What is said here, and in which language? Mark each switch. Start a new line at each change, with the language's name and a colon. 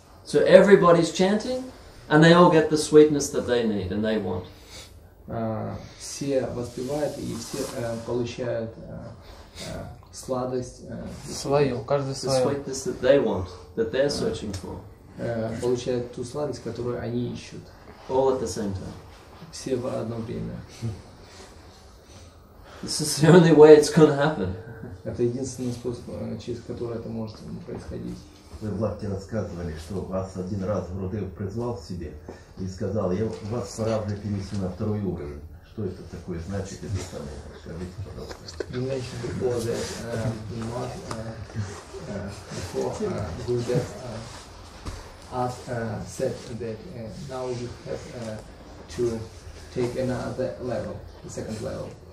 English: So everybody's chanting, and they all get the sweetness that they need and they want.
Russian: Все воспевают и все получают сладость свою, каждый свою.
English: The sweetness that they want, that they're searching for.
Russian: Получают ту сладость, которую они ищут.
English: All at the same time.
Russian: Все в одно время.
English: This is the only way it's going to happen.
Russian: Это единственный способ, через который это может происходить. Вы в Лапте рассказывали, что вас один раз Гурудев призвал к себе и сказал, я вас пора уже перенести на второй уровень. Что это такое значит эти слова? Скажите, пожалуйста.
English: You mentioned before that before Gurudev said that now you have to take another level, the second level.